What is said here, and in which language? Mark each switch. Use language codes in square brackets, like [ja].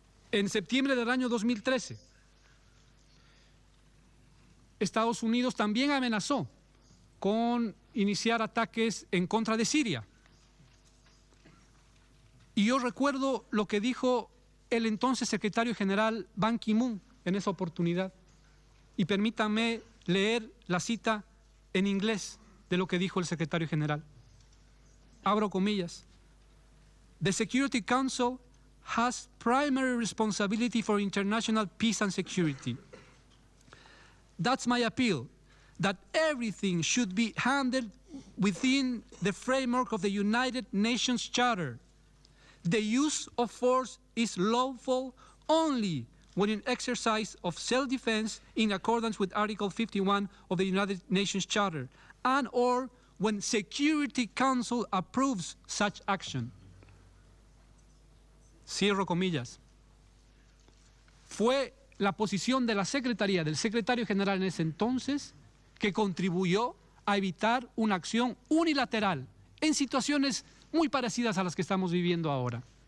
[es] En septiembre del año 2013, Estados Unidos también amenazó con iniciar ataques en contra de Siria. Y yo recuerdo lo que dijo el entonces secretario general Ban Ki-moon en esa oportunidad. Y permítanme leer la cita en inglés de lo que dijo el secretario general. Abro comillas: [en] "The Security Council has primary responsibility for international peace and security. That's my appeal, that everything should be handled within the framework of the United Nations Charter. The use of force is lawful only when in exercise of self-defense in accordance with Article 51 of the United Nations Charter, and or when Security Council approves such action." [es] Cierro comillas. Fue la posición de la Secretaría, del secretario general en ese entonces, que contribuyó a evitar una acción unilateral en situaciones muy parecidas a las que estamos viviendo ahora.